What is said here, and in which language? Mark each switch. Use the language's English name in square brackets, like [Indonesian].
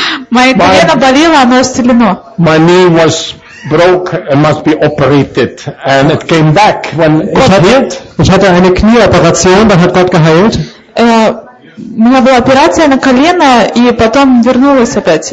[English] My knee was broke and must be operated, and it came back when God healed. [German] Ich hatte eine Knieoperation, dann hat Gott geheilt. [Russian] У меня была операция на колено, и потом вернулась опять.